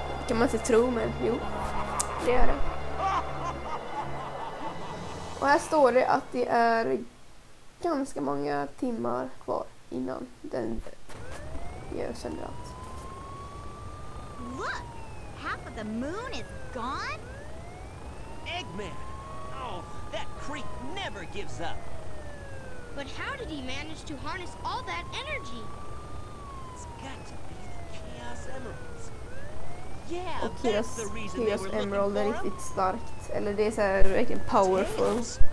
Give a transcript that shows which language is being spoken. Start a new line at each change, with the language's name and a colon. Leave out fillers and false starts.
Swedish: Kan man inte tro, men jo, det är det. Och här står det att det är ganska många timmar kvar innan den gör sönder allt.
English: Look, half of the moon is gone. Eggman! Oh, that creep never gives up! But how did he manage to harness all that energy? It's got to be the Chaos Emeralds.
Swedish: Och Kyrios Emerald är riktigt starkt. Eller det är så här verkligen powerful.